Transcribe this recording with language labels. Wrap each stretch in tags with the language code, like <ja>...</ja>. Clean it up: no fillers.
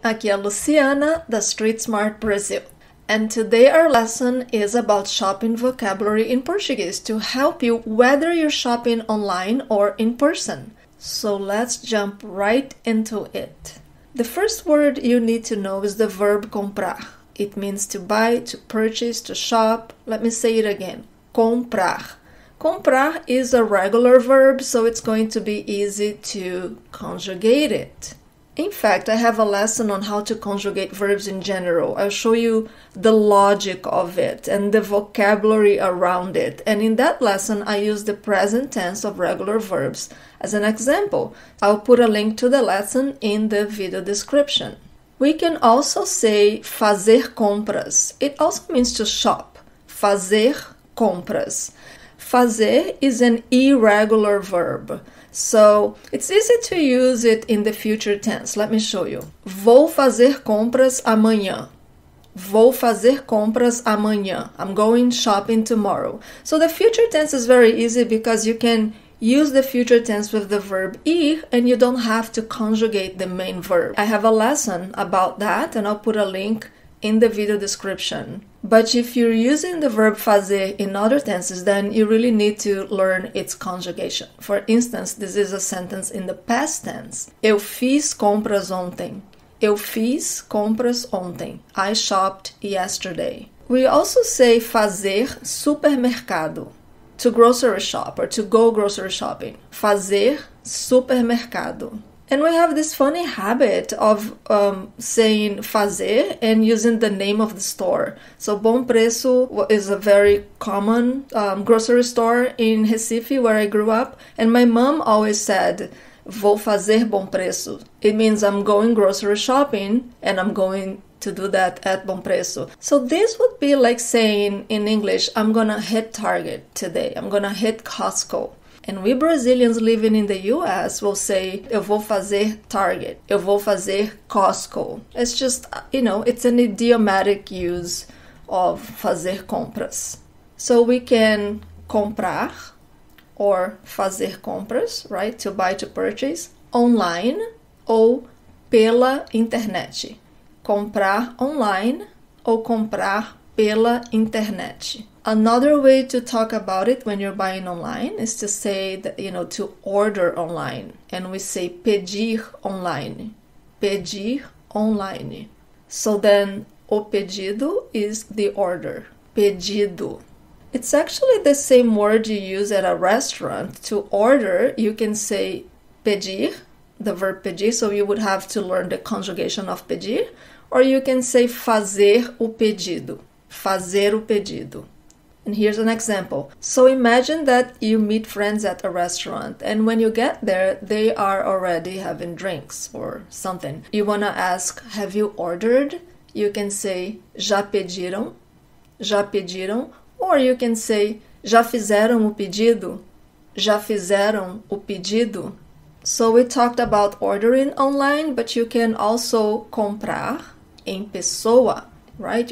<pt>Aqui é a Luciana da Street Smart Brasil.</pt> <en>And today our lesson is about shopping vocabulary in Portuguese to help you whether you're shopping online or in person. So let's jump right into it. The first word you need to know is the verb comprar. It means to buy, to purchase, to shop. Let me say it again. Comprar. Comprar is a regular verb, so it's going to be easy to conjugate it. In fact, I have a lesson on how to conjugate verbs in general. I'll show you the logic of it and the vocabulary around it. And in that lesson, I use the present tense of regular verbs as an example. I'll put a link to the lesson in the video description. We can also say fazer compras. It also means to shop. Fazer compras. Fazer is an irregular verb, so it's easy to use it in the future tense. Let me show you.</en> <pt>Vou fazer compras amanhã. Vou fazer compras amanhã.</pt> <en>I'm going shopping tomorrow. So the future tense is very easy because you can use the future tense with the verb ir and you don't have to conjugate the main verb. I have a lesson about that and I'll put a link in the video description. But if you're using the verb fazer in other tenses, then you really need to learn its conjugation. For instance, this is a sentence in the past tense.</en> <pt>Eu fiz compras ontem. Eu fiz compras ontem.</pt> <en>I shopped yesterday. We also say fazer supermercado, to grocery shop or to go grocery shopping. Fazer supermercado. And we have this funny habit of saying fazer and using the name of the store. So Bom Preço is a very common grocery store in Recife, where I grew up. And my mom always said,</en> <pt>vou fazer Bom Preço.</pt> <en>It means I'm going grocery shopping and I'm going to do that at Bom Preço. So this would be like saying in English, I'm gonna hit Target today. I'm gonna hit Costco. And we Brazilians living in the US will say,</en> <pt>eu vou fazer Target, eu vou fazer Costco.</pt> <en>It's just, it's an idiomatic use of fazer compras. So we can comprar or fazer compras, right? To buy, to purchase, online</en> <pt>ou pela internet. Comprar online ou comprar pela internet.</pt> <en>Another way to talk about it when you're buying online is to say that, to order online. And we say pedir online. Pedir online. So then, o pedido is the order. Pedido. It's actually the same word you use at a restaurant. To order, you can say pedir, the verb pedir, so you would have to learn the conjugation of pedir. Or you can say</en> <pt>fazer o pedido. Fazer o pedido.</pt> <en>And here's an example. So imagine that you meet friends at a restaurant, and when you get there, they are already having drinks or something. You wanna ask, have you ordered? You can say,</en> <pt>já pediram? Já pediram?</pt> <en>Or you can say,</en> <pt>já fizeram o pedido? Já fizeram o pedido?</pt> <en>So we talked about ordering online, but you can also</en> <pt>comprar em pessoa,</pt> <en>right?</en>